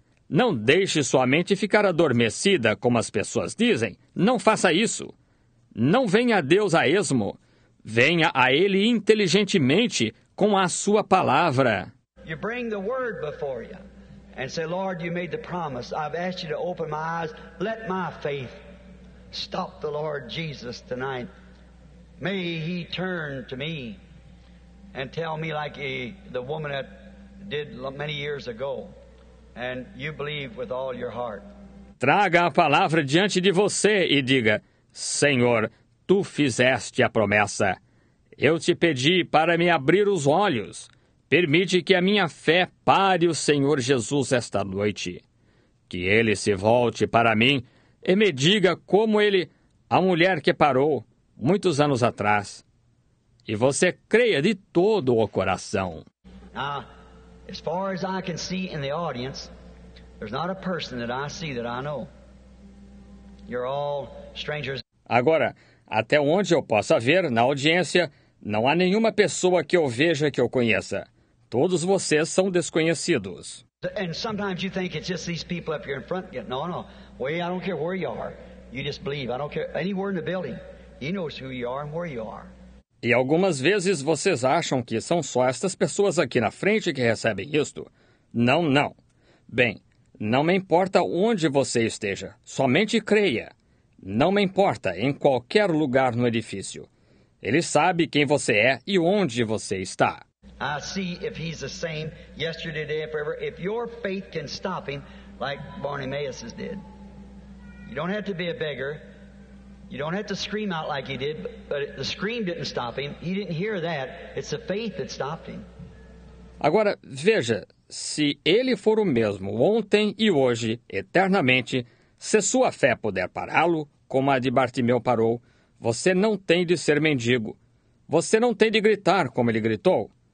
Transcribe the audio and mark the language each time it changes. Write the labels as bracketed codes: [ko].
[pt] Não deixe sua mente ficar adormecida, como as pessoas dizem. Não faça isso. Não venha a Deus a esmo. Venha a Ele inteligentemente, com a sua palavra. [en] You bring the word before you and say, Lord, you made the promise. I've asked you to open my eyes. Let my faith stop the Lord Jesus tonight. May he turn to me and tell me like the woman that did many years ago. And you believe with all your heart. [pt] Traga a palavra diante de você e diga, Senhor, tu fizeste a promessa. Eu te pedi para me abrir os olhos. Permite que a minha fé pare o Senhor Jesus esta noite. Que ele se volte para mim e me diga como ele, a mulher que parou muitos anos atrás. E você creia de todo o coração. Ah, [en] As far as I can see in the audience, there's not a person that I see that I know. You're all strangers. [pt] Agora, até onde eu possa ver na audiência, não há nenhuma pessoa que eu veja que eu conheça. Todos vocês são desconhecidos. [en] And sometimes you think it's just these people up here in front. No, no. Well, I don't care where you are. You just believe. I don't care anywhere in the building. He knows who you are and where you are. [pt] E algumas vezes vocês acham que são só estas pessoas aqui na frente que recebem isto. Não, não. Bem, não me importa onde você esteja. Somente creia. Não me importa em qualquer lugar no edifício. Ele sabe quem você é e onde você está. [en] I see if he's the same yesterday, today, and forever. If your faith can stop him, like Bartimaeus did. You don't have to be a beggar. You don't have to scream out like he did, but the scream didn't stop him. He didn't hear that. It's the faith that stopped him. [pt] Agora, veja, se ele for o mesmo ontem e hoje, eternamente, se sua fé puder pará-lo, como a de Bartimeu parou, você não tem de ser mendigo. Você não tem de gritar como ele gritou.